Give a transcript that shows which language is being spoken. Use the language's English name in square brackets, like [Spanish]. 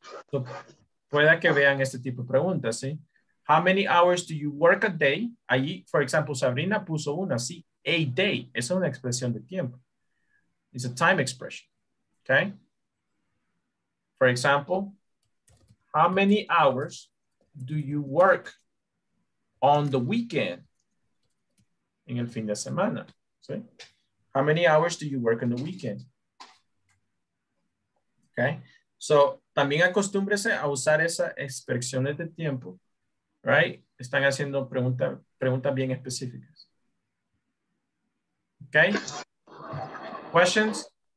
[Spanish] So, pueda que vean este tipo de preguntas, ¿sí? [English] How many hours do you work a day? Allí, for example, Sabrina [Spanish] puso una, sí, [English] a day. [Spanish] Esa es una expresión de tiempo. [English] It's a time expression, [Spanish] okay? [English] For example, how many hours do you work on the weekend? [Spanish] En el fin de semana, ¿sí? [English] How many hours do you work on the weekend? Okay? [Spanish] So, también acostúmbrese a usar esas expresiones de tiempo. Right? Están haciendo preguntas bien específicas. Okay? Questions?